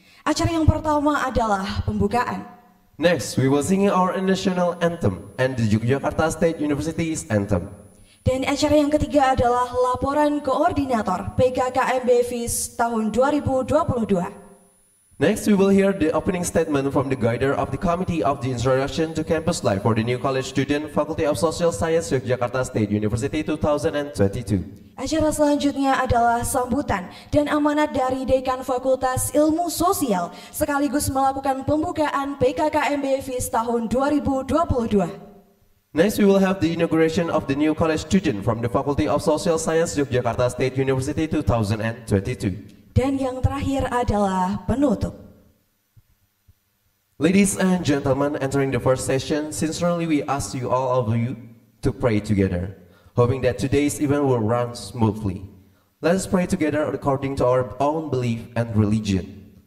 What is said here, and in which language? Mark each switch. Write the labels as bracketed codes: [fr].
[id] Acara yang pertama adalah pembukaan. [en] Next, we will sing our national anthem and the Yogyakarta State University's anthem. [id] Dan acara yang ketiga adalah laporan koordinator PKKMB FIS tahun 2022. [en] Next, we will hear the opening statement from the guider of the Committee of the Introduction to Campus Life for the New College Student Faculty of Social Science, Yogyakarta State University 2022. [id] Acara selanjutnya adalah sambutan dan amanat dari Dekan Fakultas Ilmu Sosial sekaligus melakukan pembukaan PKKMB FIS tahun 2022. [en] Next, we will have the inauguration of the new college student from the Faculty of Social Science, Yogyakarta State University 2022. [id] Dan yang terakhir adalah penutup. [en] Ladies and gentlemen, entering the first session, sincerely we ask you all of you to pray together, hoping that today's event will run smoothly. Let us pray together according to our own belief and religion.